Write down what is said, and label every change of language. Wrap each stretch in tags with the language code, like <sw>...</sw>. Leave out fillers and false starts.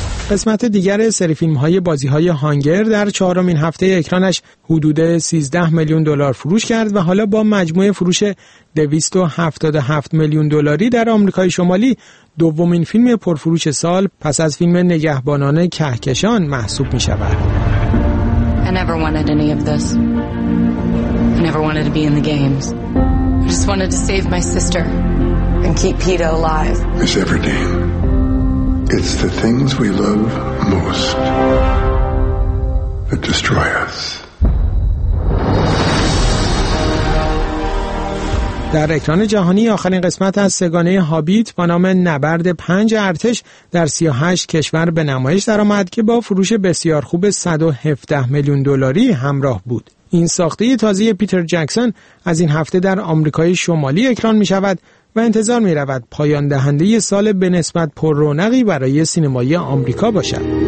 <fa>قسمت دیگر سری فیلم‌های بازی‌های هانگر در 4 هفته اکرانش حدود 13 میلیون دلار فروش کرد و حالا با مجموع فروش 277 میلیون دلاری در آمریکای شمالی 2 فیلم پرفروش سال پس از فیلم نگهبانان کهکشان محسوب می‌شود.</fa> <en>I never wanted any of this. I never wanted to be in the games. I just wanted to save my sister and keep Peter alive. It's every day. It's the things we love most that destroy us.</en> <fa>در اکران جهانی آخرین قسمت از سگانه هابیت با نام نبرد 5 ارتش در 38 کشور به نمایش درآمد که با فروش بسیار خوب 117 میلیون دلاری همراه بود. این ساخته تازه پیتر جکسون از این هفته در آمریکای شمالی اکران می شود و انتظار می رود پایان دهنده سال به نسبت پر رونقی برای سینمای آمریکا باشد.</fa>